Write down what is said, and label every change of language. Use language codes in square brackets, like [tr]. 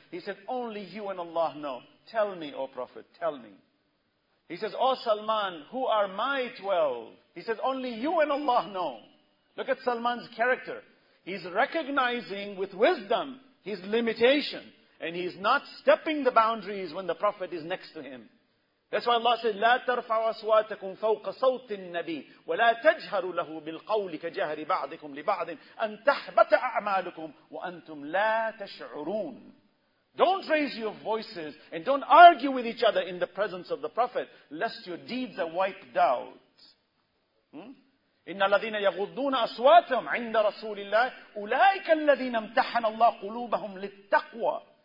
[en] He said, only you and Allah know. Tell me, O Prophet, tell me. He says, O Salman, who are my 12? He says, only you and Allah know. Look at Salman's character. He's recognizing with wisdom his limitation. And he's not stepping the boundaries when the Prophet is next to him. [ar] That's why Allah said, لَا تَرْفَعُ أَصْوَاتَكُمْ فَوْقَ صَوْتِ النَّبِيِّ وَلَا تَجْهَرُ لَهُ بِالْقَوْلِ كَجَهْرِ بَعْضِكُمْ لِبَعْضٍ أَنْ تَحْبَتَ أَعْمَالُكُمْ وَأَنْتُمْ لَا تَشْعُرُونَ. [en] Don't raise your voices and don't argue with each other in the presence of the Prophet, lest your deeds are wiped out. [ar] إِنَّ الَّذِينَ يَغُضُّونَ أَصْوَاتَهُمْ عِنْدَ رَسُولِ اللَّهِ أُولَٰئِكَ الَّذِينَ امْتَحَنَ اللَّهُ قُلُوبَهُمْ لِلتَّقْوَى.